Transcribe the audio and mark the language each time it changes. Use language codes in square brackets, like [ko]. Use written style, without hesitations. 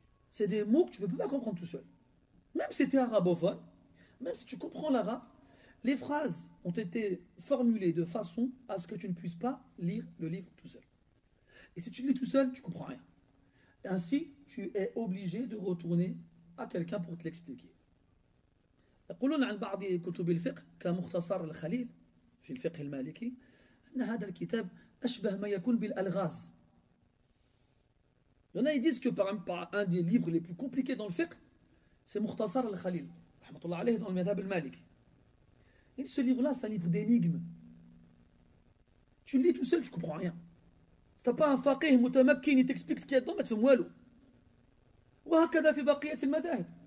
[fr] C'est des mots que tu ne peux pas comprendre tout seul. Même si tu es arabophone, même si tu comprends l'arabe, les phrases ont été formulées de façon à ce que tu ne puisses pas lire le livre tout seul. Et si tu lis tout seul, tu ne comprends rien. Et ainsi, tu es obligé de retourner à quelqu'un pour te l'expliquer. [ar] يقولون عن بعض كتب الفقه كمختصر الخليل في الفقه المالكي أن هذا الكتاب أشبه ما يكون بالألغاز. [fr] Il y en a, ils disent que par un des livres les plus compliqués dans le fiqh, c'est Mukhtasar al-Khalil, rahmatullah alayhi, dans le Madhab al-Malik. Et ce livre-là, c'est un livre d'énigmes. Tu le lis tout seul, tu ne comprends rien. Si tu n'as pas un faqih mutamakkin, il t'explique ce qu'il y a dedans, mais tu fais mwalou. [ar] Wa hakada fi baqiyat al-Madhab.